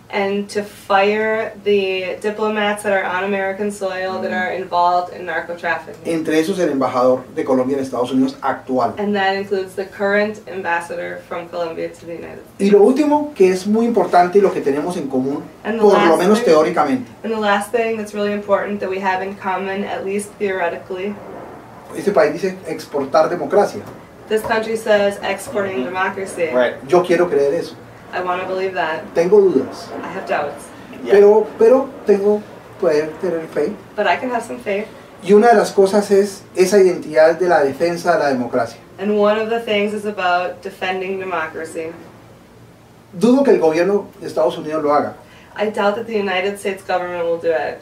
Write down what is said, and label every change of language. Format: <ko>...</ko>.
<en>and to fire the diplomats that are on American soil that are involved in narco trafficking.</en> <es>Entre esos, el embajador de Colombia en Estados Unidos actual.</es> <en>And that includes the current ambassador from Colombia to the United States.</en> <es>Y lo último, que es muy importante y lo que tenemos en común, por lo menos teóricamente.</es> <en>And the last thing that's really important that we have in common, at least theoretically.</en> <es>Este país dice exportar democracia.</es> <en>This country says exporting democracy. Right.</en> <es>Yo quiero creer eso.</es> <en>I want to believe that.</en> <es>Tengo dudas.</es> <en>I have doubts.</en> <es>Yeah. Pero tengo poder tener fe.</es> <en>But I can have some faith.</en> <es>Y una de las cosas es esa identidad de la defensa de la democracia.</es> <en>And one of the things is about defending democracy.</en> <es>Dudo que el gobierno de Estados Unidos lo haga.</es> <en>I doubt that the United States government will do it.</en>